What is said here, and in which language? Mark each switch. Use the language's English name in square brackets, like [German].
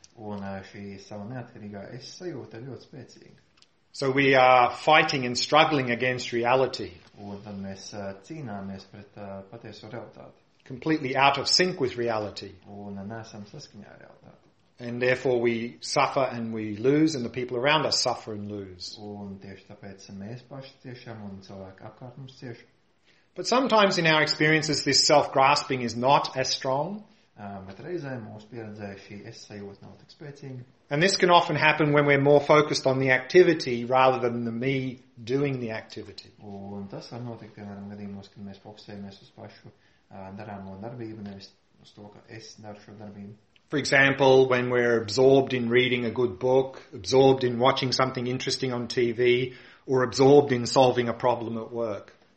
[Latvian] Un šī sava neatkarīgā es sajūta ir ļoti spēcīga. [English] So we are fighting and struggling against reality. [Latvian] Un tad mēs cīnāmies pret patieso realitāti. [English] Completely out of sync with reality. [Latvian] Un neesam saskaņā ar realitāti. [English] And therefore we suffer and we lose and the people around us suffer and lose. [Latvian] Un tieši tāpēc mēs paši ciešam un cilvēki apkārt mums cieši. [English] But sometimes in our experiences this self-grasping is not as strong. [Latvian] Bet reizē mūs pieredzē šī es-sajūta nav tik spēcīga. [English] And this can often happen when we're more focused on the activity rather than the me doing the activity. [Latvian] Un tas var notikt, piemēram, gadījumos, kad mēs fokusējamies uz pašu darāmo darbību, nevis uz to, ka es daru šo darbību. [English] For example, when we're absorbed in reading a good book, absorbed in watching something interesting on TV, or absorbed in solving a problem at work.